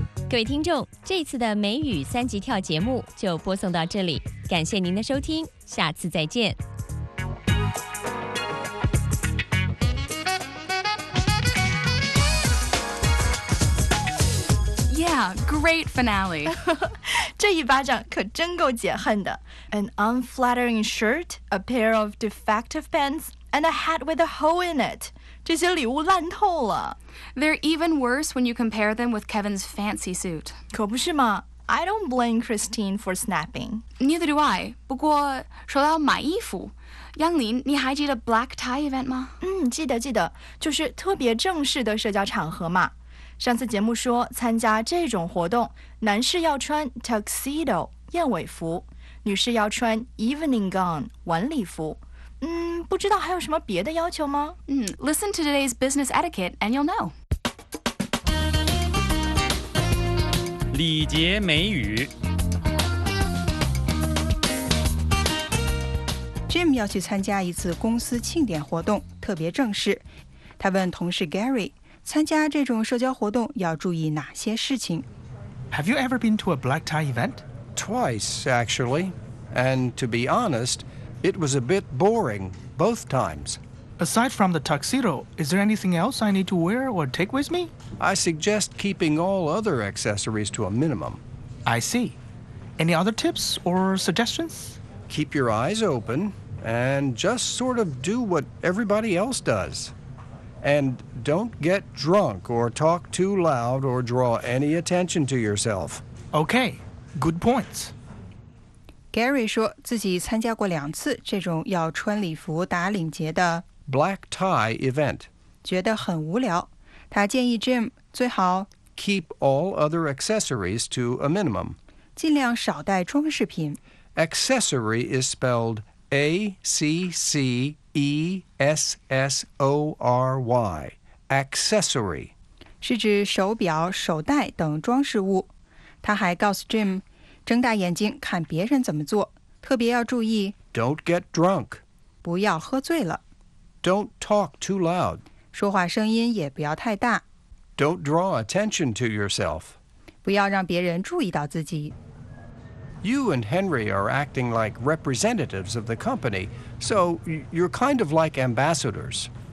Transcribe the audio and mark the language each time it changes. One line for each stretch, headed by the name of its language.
Chinese: 各位听众，这次的美语三级跳节目就播送到这里，感谢您的收听，下次再见。
English: Yeah, great finale.
Chinese: 这一巴掌可真够解恨的。
English: An unflattering shirt, a pair of defective pants, and a hat with a hole in it.
Chinese: 这些礼物烂透了。
English: They're even worse when you compare them with Kevin's fancy suit.
Chinese: 可不是吗？
English: I don't blame Christine for snapping. Neither do I.
Chinese: 不过说到买衣服，杨林，你还记得
English: black tie event
Chinese: 吗？嗯，记得记得，就是特别正式的社交场合嘛。上次节目说，参加这种活动，男士要穿 tuxedo 燕尾服，女士要穿 evening gown 晚礼服。嗯，不知道还有什么别的要求吗？
English: 嗯 ，Listen to today's business etiquette and you'll know.
Chinese: 礼节美语。 Jim 要去参加一次公司庆典活动，特别正式。他问同事 Gary， 参加这种社交活动要注意哪些事情
English: ？Have you ever been to a black tie event? Twice, actually, and to be honest. It was a bit boring, both times. Aside from the tuxedo, is there anything else I need to wear or take with me? I suggest keeping all other accessories to a minimum. I see. Any other tips or suggestions? Keep your eyes open and just sort of do what everybody else does. And don't get drunk or talk too loud or draw any attention to yourself. Okay, good points.
Chinese: Gary 说自己参加过两次这种要穿礼服打领结的
English: black tie event，
Chinese: 觉得很无聊。他建议 Jim 最好
English: keep all other accessories to a minimum，
Chinese: 尽量少带装饰品。
English: Accessory is spelled A C C E S S O R Y， accessory
Chinese: 是指手表、手袋等装饰物。他还告诉 Jim。睁大眼睛看别人怎么做，特别要注意。
English: Don't get drunk，
Chinese: 不要喝醉了。
English: Don't talk too loud，
Chinese: 说话声音也不要太大。
English: Don't draw attention to yourself，
Chinese: 不要让别人注意到自己。
English: You and Henry are acting like representatives of the company, so you're kind of like ambassadors.